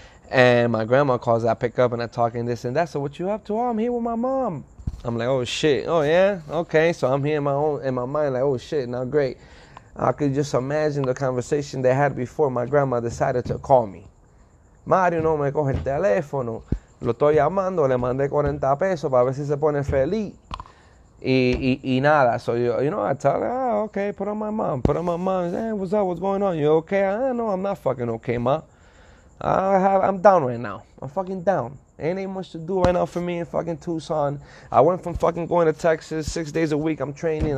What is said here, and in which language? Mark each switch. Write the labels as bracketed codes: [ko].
[en] And my grandma calls, I pick up and I talk and this and that. So what you up to? Oh, I'm here with my mom. I'm like, oh shit. Oh yeah? Okay. So I'm here in my mind like, oh shit, now great. I could just imagine the conversation they had before my grandma decided to call me. [es] Mario no me coge el teléfono. Lo estoy llamando, le mandé 40 pesos para ver si se pone feliz. Y nada. [en] So, you know, I tell her, oh, okay, put on my mom. Hey, what's up? What's going on? You okay? No, I'm not fucking okay, ma. I'm down right now. I'm fucking down. Ain't much to do right now for me in fucking Tucson. I went from fucking going to Texas 6 days a week. I'm training.